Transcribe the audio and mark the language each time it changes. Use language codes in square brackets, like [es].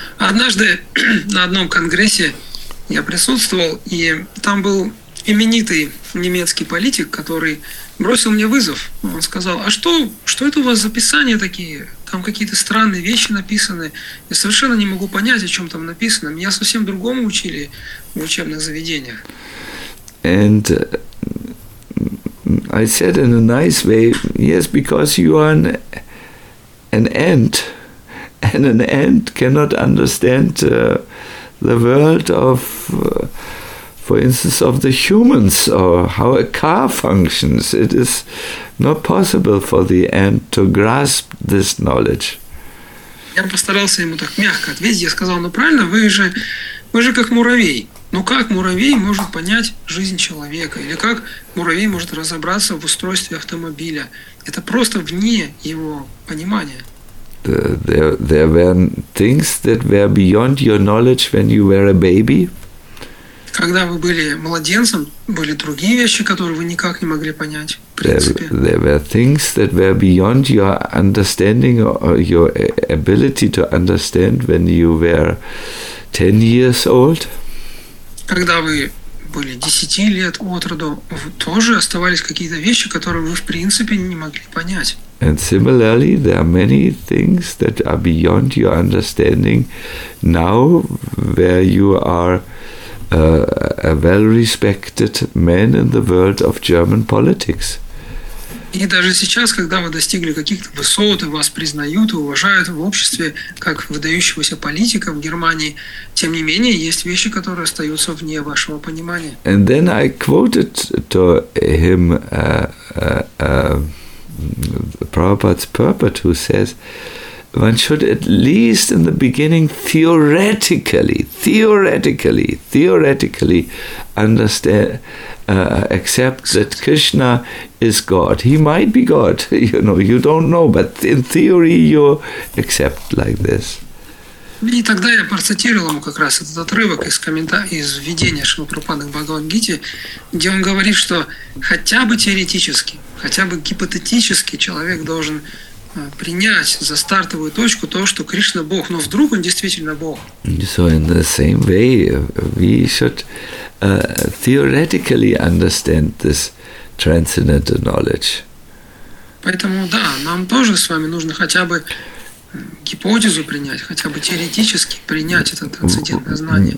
[ru] Однажды на одном конгрессе я присутствовал, и там был именитый немецкий политик, который бросил мне вызов. Он сказал, а что это у вас за писания такие? Там какие-то странные вещи написаны. Я совершенно не могу понять, о чем там написано. Меня совсем другому учили в учебных заведениях. [en] And I said in a nice way, yes, because you are an ant, and an ant cannot understand the world of for instance, of the humans or how a car functions. It is not possible for the ant to grasp this knowledge. [ru] Я постарался ему так мягко ответить. Я сказал, ну правильно, вы же как муравей. Ну как муравей может понять жизнь человека? Или как муравей может разобраться в устройстве автомобиля? Это просто вне его понимания. [en] There were things that were beyond your knowledge when you were a baby. [ru] Когда вы были младенцем, были другие вещи, которые вы никак не могли понять, в принципе. [en] There were things that were beyond your understanding or your ability to understand when you were 10 years old. [ru] Когда вы были 10 лет от роду, тоже оставались какие-то вещи, которые вы, в принципе, не могли понять. [en] And similarly, there are many things that are beyond your understanding now where you are a well-respected man in the world of German politics. [ru] И даже сейчас, когда вы достигли каких-то высот, и вас признают и уважают в обществе как выдающегося политика в Германии, тем не менее, есть вещи, которые остаются вне вашего понимания. [en] And then I quoted to him Prabhupada's purport, who says one should at least in the beginning theoretically understand, accept that Krishna is God. He might be God, you know, you don't know, but in theory you accept like this. [ru] И тогда я процитировал ему как раз этот отрывок из введения Шрилы Прабхупады к Бхагавад-гите, где он говорит, что хотя бы теоретически, хотя бы гипотетически человек должен принять за стартовую точку то, что Кришна – Бог, но вдруг он действительно Бог. [en] So in the same way, we should theoretically understand this transcendental knowledge. [ru] Поэтому да, нам тоже с вами нужно хотя бы гипотезу принять, хотя бы теоретически принять это трансцендентное знание.